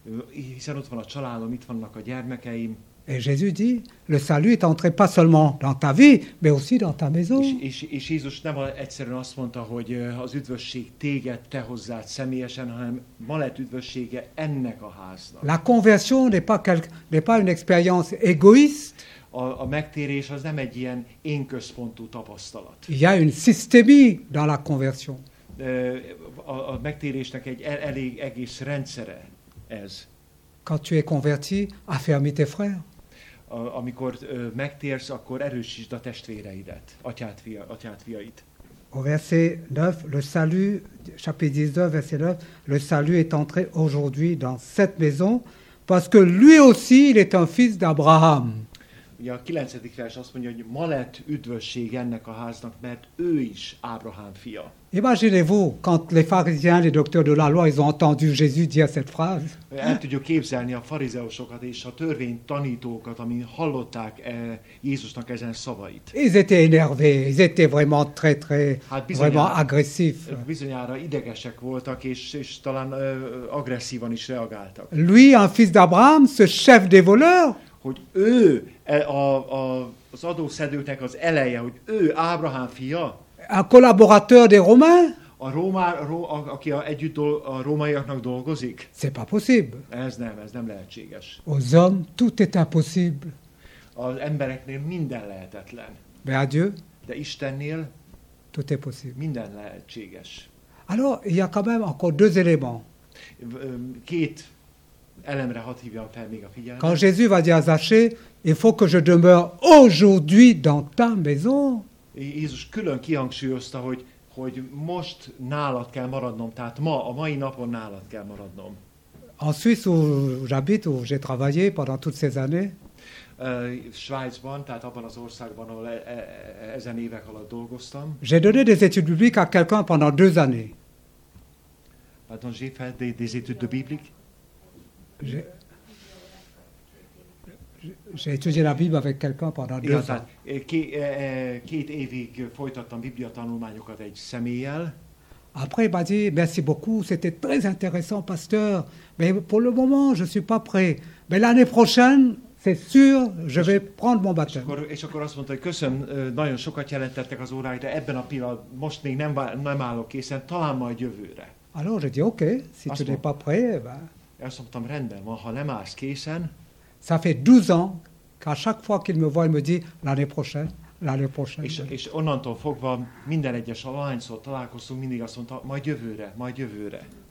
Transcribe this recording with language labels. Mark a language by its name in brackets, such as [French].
[Hungarian] Hiszen ott van a családom, itt vannak a gyermekeim. [French] Et Jésus dit, le salut est entré pas seulement dans ta vie, mais aussi dans ta maison. [Hungarian] És Jézus nem egyszerűen azt mondta, hogy az üdvösség téged, te hozzád személyesen, hanem ma lett üdvössége ennek a háznak. [French] La conversion n'est pas une expérience égoïste. [Hungarian] A megtérés az nem egy ilyen énközpontú tapasztalat. [French] Il y a une systémie dans la conversion. [Hungarian] A megtérésnek egy elég egész rendszere ez. [French] Quand tu es converti, affermis tes frères. [Hungarian] Amikor megtérsz, akkor erősítsd a testvéreidet, atyát fiait. [French] Au verset 9, le salut, chapitre 19, verset 9, le salut est entré aujourd'hui dans cette maison, parce que lui aussi, il est un fils d'Abraham. [Hungarian] Ugye a 9. vers azt mondja, hogy ma lett üdvösség ennek a háznak, mert ő is Ábrahám fia. [French] Imaginez-vous, quand les pharisiens, les docteurs de la loi, ils ont entendu Jésus dire cette phrase. [Hungarian] El tudjuk képzelni a farizeusokat és a törvénytanítókat, amin hallották Jézusnak ezen szavait. [French] Ils étaient énervés, ils étaient vraiment très, très, vraiment agressifs. [Hungarian] Bizonyára idegesek voltak, és talán agresszívan is reagáltak. [French] Lui, un fils d'Abraham, ce chef des voleurs, [Hungarian] hogy ő az adószedőknek az eleje, hogy ő Ábrahám fia, [French] a collaborateur des Romains, [Hungarian] a rómaiaknak dolgozik. [French] C'est pas possible. [Hungarian] Ez nem lehetséges. [French] Aux hommes, tout est impossible. [Hungarian] Az embereknél minden lehetetlen. [French] Mais à Dieu, [Hungarian] de Istennél [French] tout est possible. [Hungarian] Minden lehetséges. [French] Alors, il y a quand même encore deux éléments. [Hungarian] Két elemre hat hívja fel még a figyelmet. [French] Quand Jésus va dire à Zachée, il faut que je demeure aujourd'hui dans ta maison. [Hungarian] Jézus külön kihangsúlyozta, hogy most nálad kell maradnom, tehát ma, a mai napon nálad kell maradnom. [French] En Suisse, où j'habite, où j'ai travaillé pendant toutes ces années. [Hungarian] Svájcban, tehát abban az országban, ahol ezen évek alatt dolgoztam. [French] J'ai donné des études bibliques à quelqu'un pendant deux années. Pardon, j'ai fait des études de biblique. J'ai étudié la Bible avec quelqu'un pendant deux ans. [Hungarian] Két évig folytattam biblia tanulmányokat egy személlyel. [French] Après, il m'a dit, merci beaucoup, c'était très intéressant, pasteur. Mais pour le moment, je ne suis pas prêt. Mais l'année prochaine, c'est sûr, je vais prendre mon baptême. [Hungarian] És akkor azt mondta, hogy köszön, nagyon sokat jelentettek az óráig, de ebben a pillanatban most még nem állok készen, talán majd jövőre. [French] Alors, j'ai dit, ok, si tu n'es pas prêt, ben... [Hungarian] Azt mondtam, rendben van, ha nem állsz készen. [French] Ça fait 12 ans qu'à chaque fois qu'il me voit, il me dit l'année prochaine. [Hungarian] És onnantól fogva minden egyes alányszor találkoztunk, mindig azt mondta, majd jövőre.